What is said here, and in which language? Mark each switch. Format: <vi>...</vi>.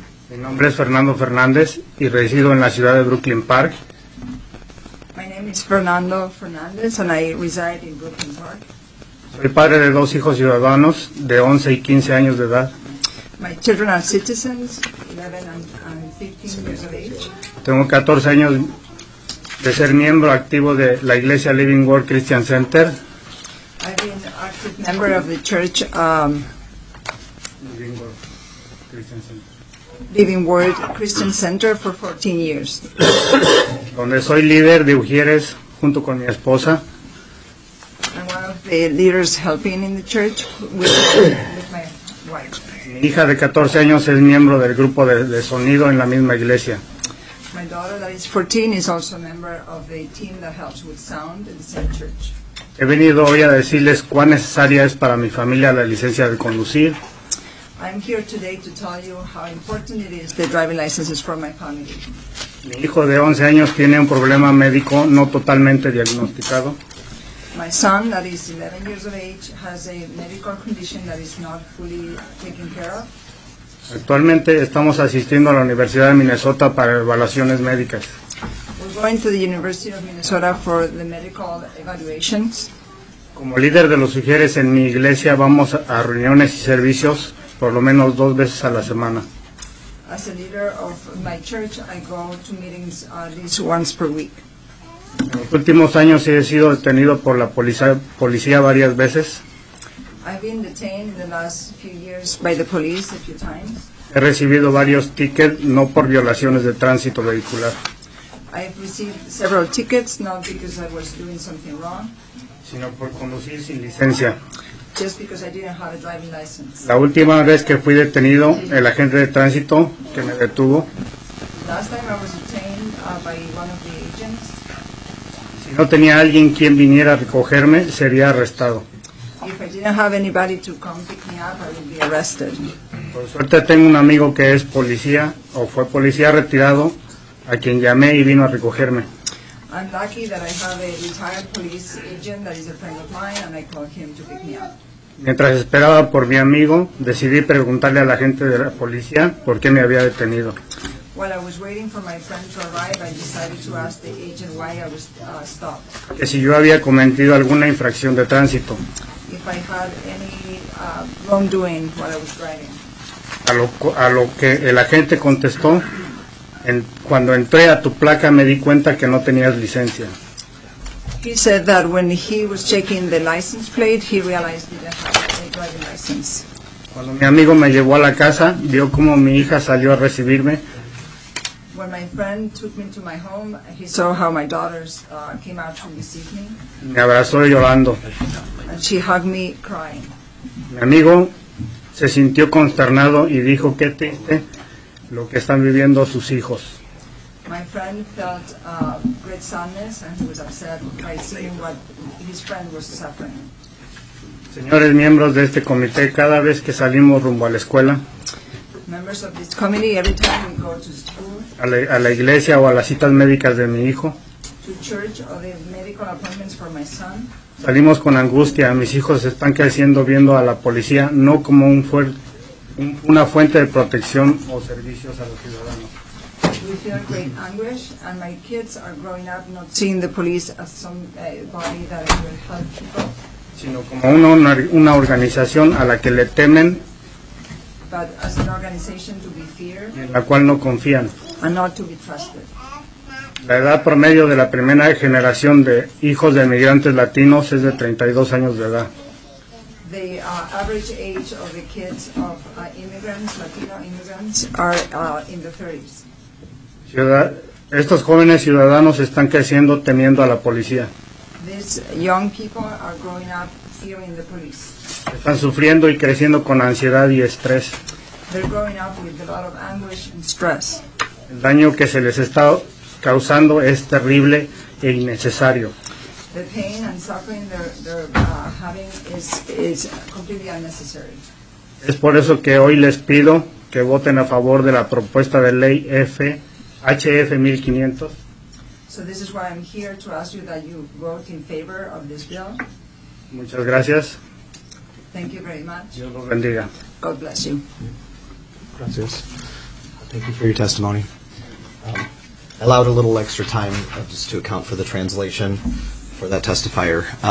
<es>Mi nombre es Fernando Fernández y resido en la ciudad de Brooklyn Park.</es> <en>My name is Fernando Fernández and I reside in Brooklyn Park.</en> <es>Soy padre de dos hijos ciudadanos de 11 y 15 años de edad.</es> <en>My children are citizens, 11 and 15 years of age.</en> <es>Tengo 14 años de ser miembro activo de la Iglesia Living Word Christian Center.</es> <en>I've been an active member of the church Living Word Christian Center. Living Word Christian Center for 14 years.</en> <es>Donde soy líder de Ujieres junto con mi esposa.</es> <en>I'm one of the leaders helping in the church with my wife.</en> <es>Mi hija de 14 años es miembro del grupo de sonido en la misma iglesia.</es> <en>My daughter that is 14 is also a member of the team that helps with sound in the same church.</en> <es>He venido hoy a decirles cuán necesaria es para mi familia la licencia de conducir.</es> <en>I'm here today to tell you how important it is the driving licenses for my family.</en> <es>Mi hijo de 11 años tiene un problema médico no totalmente diagnosticado.</es> <en>My son, that is 11 years of age, has a medical condition that is not fully taken care of.</en> <es>Actualmente estamos asistiendo a la Universidad de Minnesota para evaluaciones médicas.</es> <en>We're going to the University of Minnesota for the medical evaluations.</en> <es>Como líder de los sugieres en mi iglesia vamos a reuniones y servicios por lo menos dos veces a la semana.</es> <en>As a leader of my church, I go to meetings at least once per week.</en> <es>En los últimos años he sido detenido por la policía varias veces.</es> <en>I've been detained in the last few years by the police a few times.</en> <es>He recibido varios tickets, no por violaciones de tránsito vehicular.</es> <en>I've received several tickets, not because I was doing something wrong,</en> <es>sino por conducir sin licencia.</es> <en>Just because I didn't have a driving license.</en> <es>La última vez que fui detenido, el agente de tránsito que me detuvo.</es> <en>Last time I was detained by one of the agents.</en> <es>Si no tenía alguien quien viniera a recogerme, sería arrestado.</es> <en>If I didn't have anybody to come pick me up, I would be arrested.</en> <es>Por suerte tengo un amigo que es policía o fue policía retirado, a quien llamé y vino a recogerme.</es> <en>I'm lucky that I have a retired police agent that is a friend of mine, and I called him to pick me up.</en> <es>Mientras esperaba por mi amigo, decidí preguntarle a la gente de la policía por qué me había detenido.</es> <en>While I was waiting for my friend to arrive, I decided to ask the agent why I was stopped.</en> <es>Que si yo había cometido alguna infracción de tránsito.</es> <en>If I had any wrongdoing while I was driving.</en> <es>A lo que el agente contestó, cuando entré a tu placa me di cuenta que no tenías licencia.</es> <en>He said that when he was checking the license plate, he realized he didn't have a driving license.</en> <es>Cuando mi amigo me llevó a la casa, vio cómo mi hija salió a recibirme.</es> <en>When my friend took me to my home, he saw how my daughters came out to receive me.</en> <es>Me abrazó llorando.</es> <en>And she hugged me crying.</en> <es>Mi amigo se sintió consternado y dijo qué triste lo que están viviendo sus hijos.</es> <en>My friend felt great sadness and he was upset by seeing what his friend was suffering.</en> <es>Señores miembros de este comité, cada vez que salimos rumbo a la escuela,</es> <en>members of this committee, every time we go to school,</en> <es>a la iglesia o a las citas médicas de mi hijo,</es> <en>to church or the medical appointments for my son,</en> <es>salimos con angustia. Mis hijos están creciendo viendo a la policía no como una fuente de protección o servicios a los ciudadanos.</es> <en>We feel great anguish, and my kids are growing up not seeing the police as some body that will help people,</en> <es>sino como una organización a la que le temen,</es> <en>but as an organization to be feared,</en> <es>en la cual no confían,</es> <en>and not to be trusted.</en> <es>La edad promedio de la primera generación de hijos de migrantes latinos es de 32 años de edad.</es> <en>The average age of the kids of immigrants, Latino immigrants, are in the 30s.</en> <es>Estos jóvenes ciudadanos están creciendo temiendo a la policía.</es> <en>These young people are growing up fearing the police.</en> <es>Están sufriendo y creciendo con ansiedad y estrés.</es> <en>They're growing up with a lot of anguish and stress.</en> <es>El daño que se les está causando es terrible e innecesario.</es> <en>The pain and suffering they're having is completely unnecessary.</en> <es>Es por eso que hoy les pido que voten a favor de la propuesta de ley HF 1500.</es> <en>So this is why I'm here to ask you that you vote in favor of this bill.</en> <es>Muchas gracias.</es> <en>Thank you very much.</en> <es>Dios los bendiga.</es> <en>God bless you.</en> <es>Gracias.</es> <en>Thank you for your testimony. Allowed a little extra time just to account for the translation for that testifier.</en>